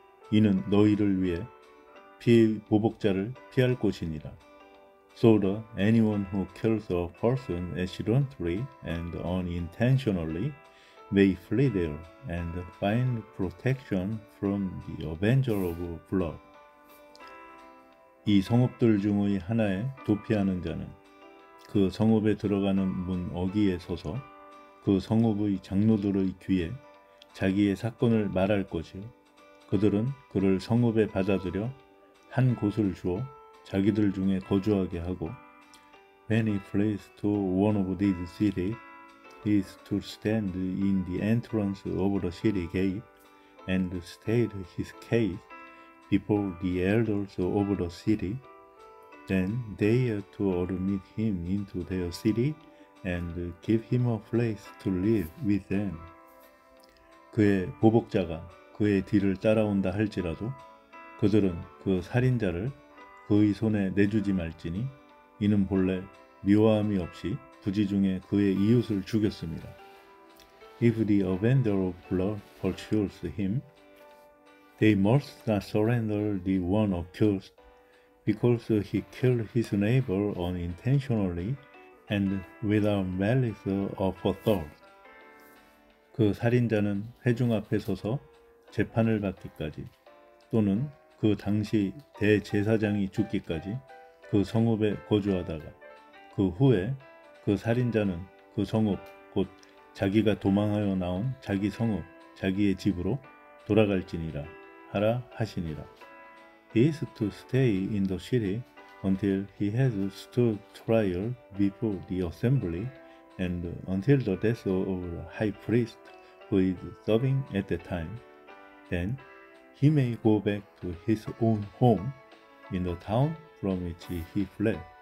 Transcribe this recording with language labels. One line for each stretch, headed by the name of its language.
Korean: 이는 너희를 위해 보복자를 피할 곳이니라.
English: So that anyone who kills a person accidentally and unintentionally may flee there and find protection from the avenger of blood.
Korean: 이 성읍들 중의 하나에 도피하는 자는 그 성읍에 들어가는 문 어귀에 서서 그 성읍의 장로들의 귀에 자기의 사건을 말할 것이요. 그들은 그를 성읍에 받아들여 한 곳을 주어 자기들 중에 거주하게 하고,
English: Many place to one of these cities is to stand in the entrance of the city gate and state his case before the elders of the city. Then they are to admit him into their city and give him a place to live with them.
Korean: 그의 보복자가 그의 뒤를 따라온다 할지라도 그들은 그 살인자를 그의 손에 내주지 말지니 이는 본래 미워함이 없이 부지 중에 그의 이웃을 죽였습니다.
English: If the avenger of blood pursues him, they must not surrender the one accused because he killed his neighbor unintentionally and without malice aforethought.
Korean: 그 살인자는 회중 앞에 서서 재판을 받기까지 또는 그 당시 대제사장이 죽기까지 그 성읍에 거주하다가 그 후에 그 살인자는 그 성읍 곧 자기가 도망하여 나온 자기 성읍 자기의 집으로 돌아갈지니라 하라 하시니라.
English: He is to stay in the city until he has stood trial before the assembly and until the death of the high priest who is serving at the time. Then he may go back to his own home in the town from which he fled.